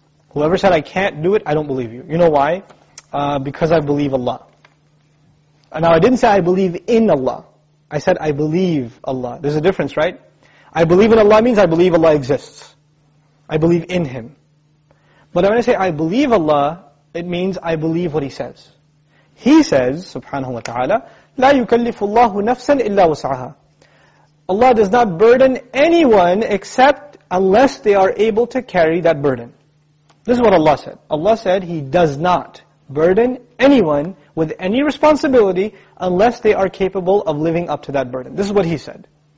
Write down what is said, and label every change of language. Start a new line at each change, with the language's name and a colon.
English: Whoever said I can't do it, I don't believe you. You know why? Because I believe Allah. Now, I didn't say I believe in Allah. I said I believe Allah. There's a difference, right? I believe in Allah means I believe Allah exists. I believe in Him. But when I say I believe Allah, it means I believe what He says. He says,
Arabic: subhanahu wa ta'ala, لا يكلف الله نفسا إلا وسعها.
English: Allah does not burden anyone except unless they are able to carry that burden. This is what Allah said. Allah said He does not burden anyone with any responsibility unless they are capable of living up to that burden. This is what He said.